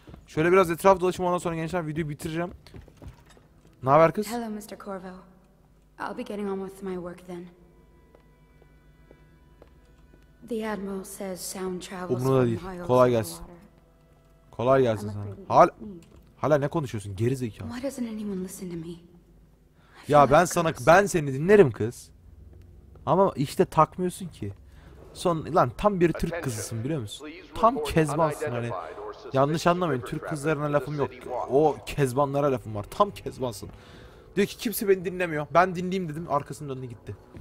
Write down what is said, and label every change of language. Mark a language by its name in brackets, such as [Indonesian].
[Turkish] Şöyle biraz etraf dolaşım, ondan sonra gençler videoyu bitireceğim. Ne haber kız? [English] Hello Mr. Corvo. I'll be getting on with my work then. The admiral says sound travels. [Turkish] Umurumda da değil. Kolay gelsin. Kolay gelsin sana. Hala ne konuşuyorsun? Geri zekalı. [English] Why doesn't anyone listen to me? [Turkish] Ya ben sana, ben seni dinlerim kız. Ama işte takmıyorsun ki. Son lan tam bir Türk kızısın biliyor musun? Tam kezbansın hani. Yanlış anlamayın, Türk kızlarına lafım yok. O kezbanlara lafım var. Tam kezbansın. Diyor ki kimse beni dinlemiyor. Ben dinleyeyim dedim, arkasının önüne gitti.